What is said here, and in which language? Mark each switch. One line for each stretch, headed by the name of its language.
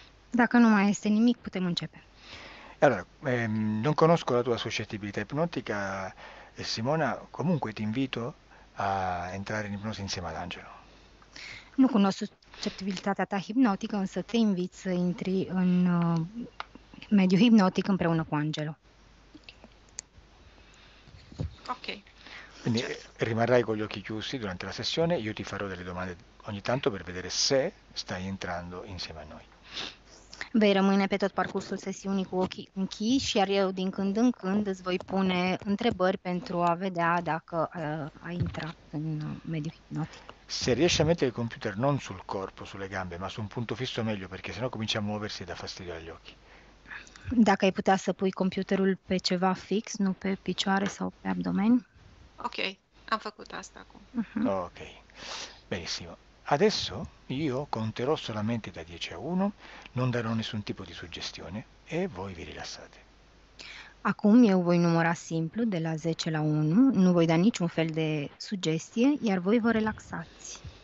Romanian: Dacă nu mai este nimic, putem începe.
Italian: Allora, non conosco la tua suscettibilità ipnotica, Simona, comunque ti invito a entrare in ipnosi insieme ad Angelo.
Romanian: Nu cunosc susceptibilitatea ta hipnotică, însă te invit să intri în mediul hipnotic împreună cu Angelo. Ok.
Italian: Quindi rimarrai con gli occhi chiusi durante la sessione, io ti farò delle domande ogni tanto per vedere se stai entrando insieme a noi.
Romanian: Rămâne pe tot parcursul sesiunii cu ochii închiși, iar eu din când în când îți voi pune întrebări pentru a vedea dacă ai intrat în mediul hipnotic.
Italian: Se riesci a mettere il computer non sul corpo, sulle gambe, ma su un punto fisso meglio, perché sennò comincia a muoversi e dà fastidio agli occhi.
Romanian: Dacă ai putea să pui computerul pe ceva fix, nu pe picioare sau pe abdomen. Ok, am făcut asta acum.
Italian: Ok, benissimo. Adesso io conterò solamente da 10 a 1, non darò nessun tipo di suggestione e voi vi rilassate.
Romanian: Acum eu voi număra simplu de la 10 la 1, nu voi da niciun fel de sugestie, iar voi vă relaxați.